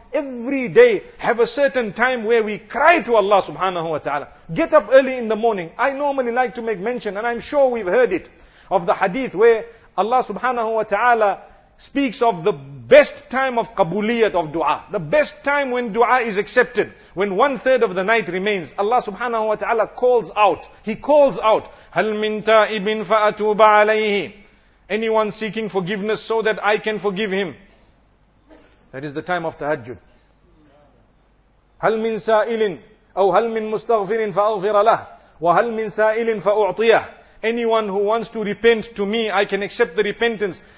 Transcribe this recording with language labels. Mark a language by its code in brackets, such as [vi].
[en] Every day have a certain time where we cry to Allah subhanahu wa ta'ala. Get up early in the morning. I normally like to make mention, and I'm sure we've heard it, of the hadith where Allah subhanahu wa ta'ala speaks of the best time of qabuliyat of dua. The best time when dua is accepted. When 1/3 of the night remains, Allah subhanahu wa ta'ala calls out. He calls out, [ar] هَلْ مِنْ تَائِبٍ فَأَتُوبَ عَلَيْهِ. [en] Anyone seeking forgiveness so that I can forgive him. That is the time of tahajjud. [ar] هَلْ مِنْ سَائِلٍ أَوْ هَلْ مِنْ مُسْتَغْفِرٍ فَأَغْفِرَ لَهُ وَهَلْ مِنْ سَائِلٍ فَأُعْطِيَهُ. [en] Anyone who wants to repent to me, I can accept the repentance.